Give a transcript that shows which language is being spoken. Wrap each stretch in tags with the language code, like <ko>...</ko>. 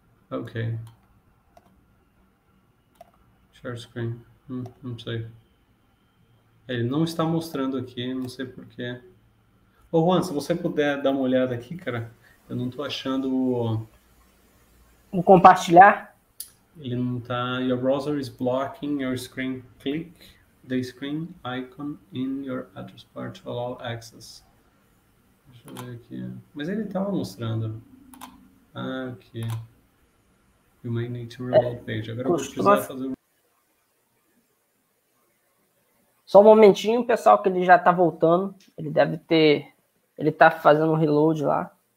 <en>Ok. Share screen.</en> <pt>Não sei. Ele não está mostrando aqui, não sei por quê. Ô Juan, se você puder dar uma olhada aqui, cara, eu não estou achando. Vou compartilhar. Ele não está.</pt> <en>Your browser is blocking your screen. Click the screen icon in your address bar to allow access.</en> <pt>Deixa eu ver aqui. Mas ele estava mostrando. Ah, aqui.</pt> <en>You may need to reload page.</en> <pt>Agora eu vou precisar fazer. Só um momentinho, pessoal, que ele já está voltando. Ele deve ter. Ele está fazendo um reload lá.</pt>